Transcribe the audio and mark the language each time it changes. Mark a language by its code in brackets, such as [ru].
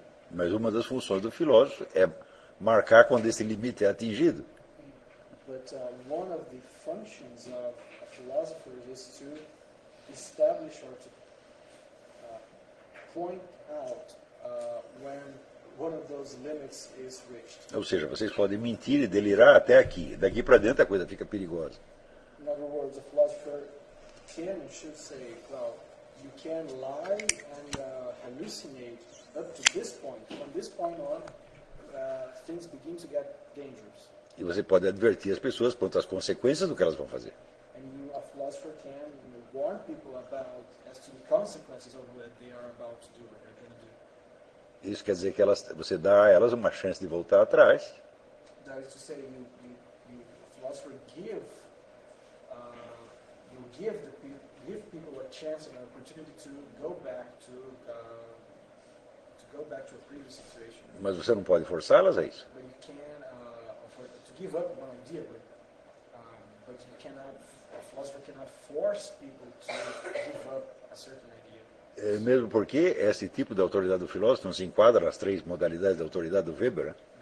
[pt] Mas uma das funções do filósofo é marcar quando esse limite é atingido. [en] But one of the functions of a philosopher is to establish or to point out when one of those limits is reached. [pt] Ou seja, vocês podem mentir e delirar até aqui. Daqui para dentro a coisa fica perigosa. [en] In other words, a philosopher can and should say, well, you can lie and hallucinate up to this point. From this point on, things begin to get dangerous. [pt] E você pode advertir as pessoas quanto às consequências do que elas vão fazer. [en] And you, a philosopher, can warn people about as to the consequences of what they are about to do. [pt] Isso quer dizer que elas, você dá a elas uma chance de voltar atrás. [en] That is to say, you philosopher give you give the give people a chance and an opportunity to go back to a previous situation. [pt] Mas você não pode forçá-las a isso. [en] But you can to give up one idea, but you cannot, a philosopher cannot force people to give up a certain idea. [pt] Mesmo porque esse tipo de autoridade do filósofo não se enquadra nas três modalidades de autoridade do Weber.